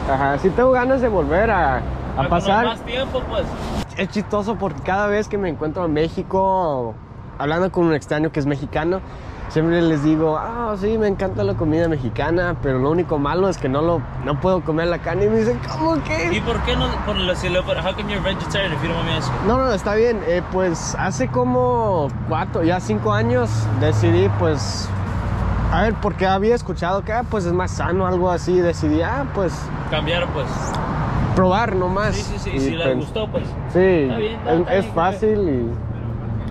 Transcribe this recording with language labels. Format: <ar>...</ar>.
<es>Ajá, sí tengo ganas de volver a pasar. Más tiempo, pues. Es chistoso porque cada vez que me encuentro en México, hablando con un extraño que es mexicano, siempre les digo, sí, me encanta la comida mexicana, pero lo único malo es que no puedo comer la carne. Y me dicen, ¿cómo qué? ¿Y por qué no?</es> <en>How come you're vegetarian if you don't want me to ask you?</en> <es>No, está bien. Pues hace como 4, ya 5 años decidí, pues, a ver, porque había escuchado que pues es más sano, algo así. Decidí, pues... Cambiar, pues. Probar nomás. Sí, sí, sí. Y si le gustó, pues. Sí. Está bien. Es fácil y...</es>